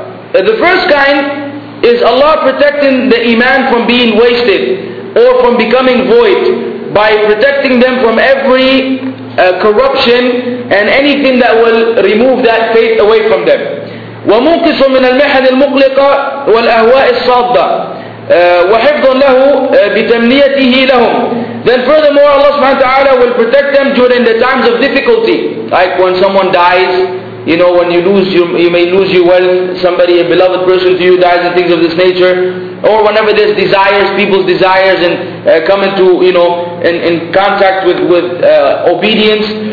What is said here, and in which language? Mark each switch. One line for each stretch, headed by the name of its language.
English: The first kind is Allah protecting the iman from being wasted or from becoming void by protecting them from every corruption and anything that will remove that faith away from them.
Arabic: ومنقص من المحن المقلقة والأهواء الصادة وحفظ له بتمنيته لهم.
English: Then furthermore, Allah subhanahu wa ta'ala will protect them during the times of difficulty. Like when someone dies, you know, when you lose, you may lose your wealth, somebody, a beloved person to you dies and things of this nature. Or whenever there's desires, people's desires and come into, you know, in contact with obedience.